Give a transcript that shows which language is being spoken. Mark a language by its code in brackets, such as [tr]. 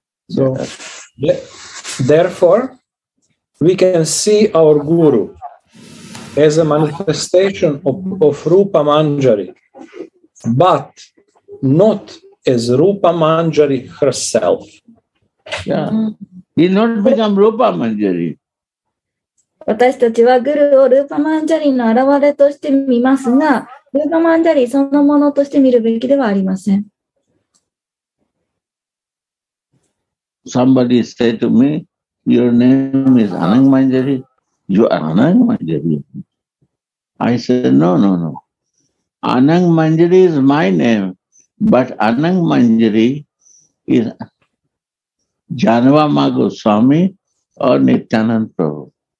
[en] So, therefore, we can see our Guru as a manifestation of Rupa Manjari, but not as Rupa Manjari herself. Yeah, he not become Rupa Manjari. [ja] 私たちはグルをルーパマンジャリの現れとして見ますが、ルーパマンジャリそのものとして見るべきではありません。 [en] Somebody say to me, your name is Anang Manjari. You are Anang Manjari. I said, no. Anang Manjari is my name, but Anang Manjari is Janava Magoswami or Nityanand Prabhu.